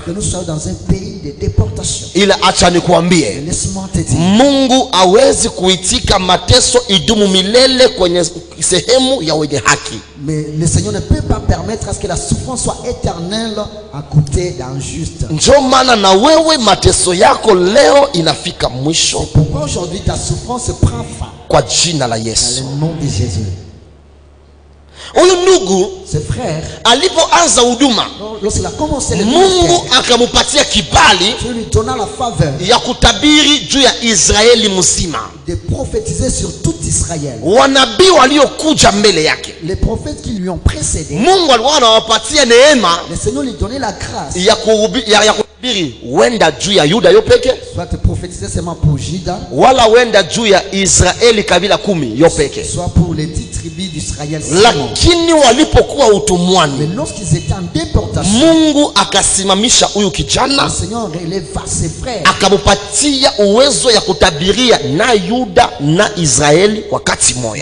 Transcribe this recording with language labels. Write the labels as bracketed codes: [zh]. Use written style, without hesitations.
[fr] Que nous sommes dans un pays de déportation. [sw] Ila acha nikuambie. [fr] Laisse-moi te dire. [sw] Mungu awezi kuitika mateso idumu milele kwenye sehemu ya wenye haki. [fr] Mais le Seigneur ne peut pas permettre à ce que la souffrance soit éternelle à côté d'injuste. [sw] Ndio maana na wewe mateso yako leo inafika mwisho. [fr] Pourquoi aujourd'hui ta souffrance prend fin? [sw] Kwa jina la Yesu. [fr] Dans le nom de Jésus. [sw] Oyo ndugu, [fr] ce frère, [sw] alipoanza huduma, [fr] lorsqu'il a commencé le [sw] Mungu akamupatia kibali, [fr] Dieu lui donna la faveur, [sw] ya kutabiri juu ya Israeli mzima, [fr] de prophétiser sur tout Israël, [sw] wanabii waliokuja mbele yake, [fr] les prophètes qui lui ont précédé, [sw] Mungu alikuwa anawapatia neema, [fr] le Seigneur lui donnait la grâce, [sw] ya kuhubiri, ya kutabiri, wenda juu ya Yuda yopeke, [fr] soit de prophétiser seulement pour Juda, [sw] wala wenda juu ya Israeli kabila kumi yopeke, [fr] soit pour les 10 tribus tribus d'Israël. [sw] Lakini walipokuwa utumwani. [fr] Mais lorsqu'ils étaient en déportation. [sw] Mungu akasimamisha huyu kijana. [fr] Le Seigneur releva ses frères. [sw] Akamupatia uwezo ya kutabiria na Yuda na Israeli wakati moja.